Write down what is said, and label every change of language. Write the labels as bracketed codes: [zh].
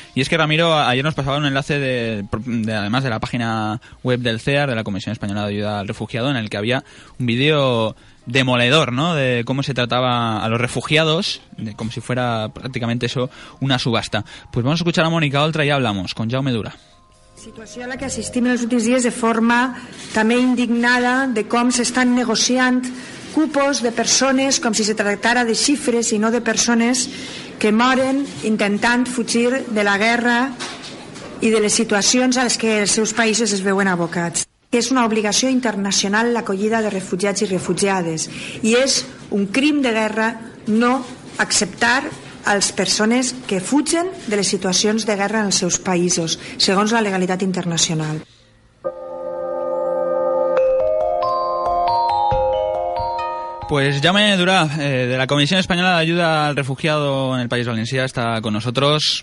[es] Y es que, Ramiro, ayer nos pasaba un enlace de además de la página web del CEAR, de la Comisión Española de Ayuda al Refugiado, en el que había un vídeo demoledor, ¿no?, de cómo se trataba a los refugiados, de como si fuera prácticamente eso una subasta. Pues vamos a escuchar a Mónica Oltra y hablamos con Jaume Durà. [ca] Situació a la que assistim en els últims dies de forma també indignada de com s'estan negociant cupos de persones com si se tractara de xifres i no de persones que moren intentant fugir de la guerra i de les situacions a les que els seus països es veuen abocats. És una obligació internacional l'acollida de refugiats i refugiades i és un crim de guerra no acceptar als persones que fugen de les situacions de guerra en els seus països, segons la legalitat internacional. [es] Pues Jaume Durà, de la Comisión Española de Ayuda al Refugiado en el País Valencià, está con nosotros.